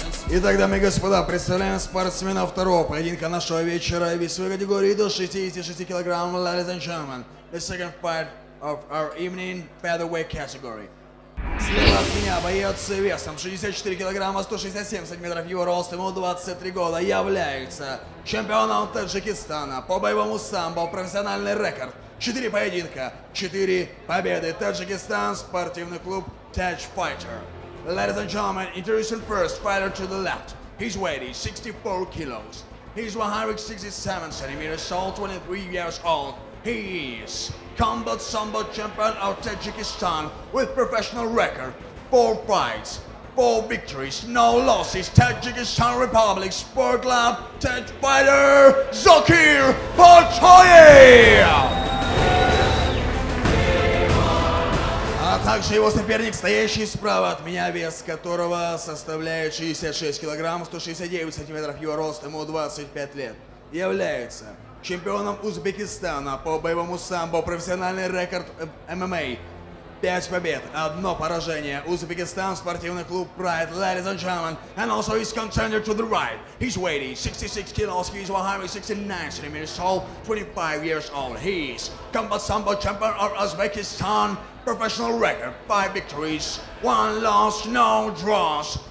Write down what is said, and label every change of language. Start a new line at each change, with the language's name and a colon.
Russian: Итак, дамы и господа, представляем спортсмена второго поединка нашего вечера весовой категории до 66 килограмм,
English: ladies and gentlemen. The second fight of our evening featherweight category.
Russian: Слева от меня боец весом 64 килограмма, 167 сантиметров, его рост, ему 23 года, является чемпионом Таджикистана по боевому самбо, профессиональный рекорд. 4 поединка, 4 победы. Таджикистан, спортивный клуб Touch Fighter.
English: Ladies and gentlemen, introducing first fighter to the left. His weight is 64 kilos. He's 167 centimeters tall, 23 years old. He is combat sambo champion of Tajikistan with professional record. 4 fights, 4 victories, no losses. Tajikistan Republic Sport Club Touch Fighter Zokir Pachoyev!
Russian: Также его соперник, стоящий справа от меня, вес которого составляет 66 килограмм, 169 сантиметров, его рост, ему 25 лет, является чемпионом Узбекистана по боевому самбо, профессиональный рекорд ММА. 5 побед, 1 поражение. Узбекистан, спортивный клуб
English: Pride, ladies and gentlemen, and also his contender to the right. He's weighty, 66 kilos, he's 169 centimeters tall, 25 years old. He's combat sambo champion of Uzbekistan, professional record, 5 victories, 1 loss, no draws.